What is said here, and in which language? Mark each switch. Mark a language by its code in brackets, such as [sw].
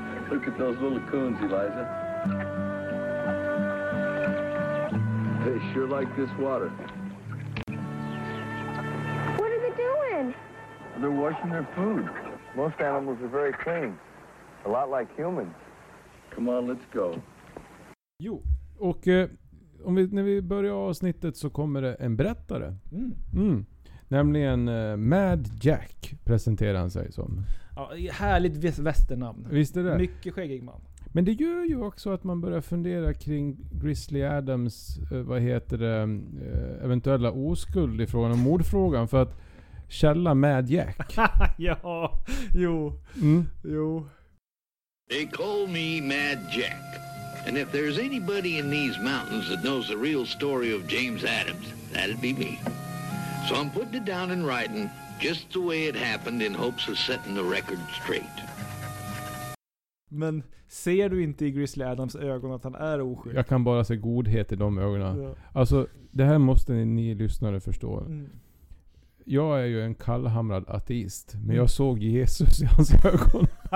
[en] Look at those little coons, Eliza. They sure like this water. What are they doing? They're washing their food. Most animals are very clean. A lot like humans. Come on, let's go. [sv] Jo, och när vi börjar avsnittet så kommer det en berättare. Nämligen Mad Jack presenterar han sig som. Ja, härligt västernamn. Visst är det? Mycket skäggig man. Men det gör ju också att man börjar fundera kring Grizzly Adams, vad heter det, eventuella oskuld i frågan om mordfrågan. För att källa Mad Jack. Ja, jo. Jo. [en] They call me Mad Jack. And if there's anybody in these mountains that knows the real story of James Adams, that'd be me. So I'm putting it down in writing just the way it happened in hopes of setting the record straight. [sv] Men ser du inte i Grizzly Adams ögon att han är oskyldig? Jag kan bara se godhet i de ögonen. Ja. Alltså, det här måste ni lyssnare förstå. Mm. Jag är ju en kallhamrad ateist, men jag såg Jesus i hans ögon.